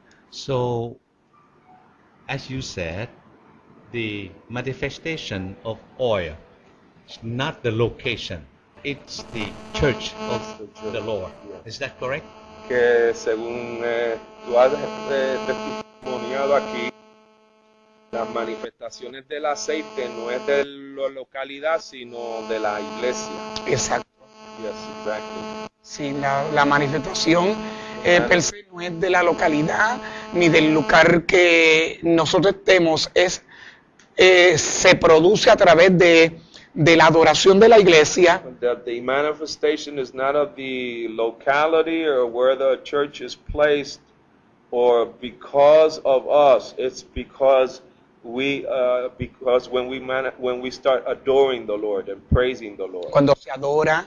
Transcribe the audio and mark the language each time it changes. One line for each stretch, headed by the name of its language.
English: So, as you said, the manifestation of oil is not the location, it's the church of the Lord. Yes. Is that correct?
Spanish: Que según tú has testimoniado aquí, las manifestaciones del aceite no es de la localidad, sino de la iglesia. Exacto.
English: Yes, exactly.
Spanish: Sí, la manifestación pensé, no es de la localidad ni del lugar que nosotros estemos, es se produce a través de la adoración de la iglesia.
English: The manifestation is not of the locality or where the church is placed or because of us, it's because we because when we start adoring the Lord and praising the Lord,
Spanish: cuando se adora,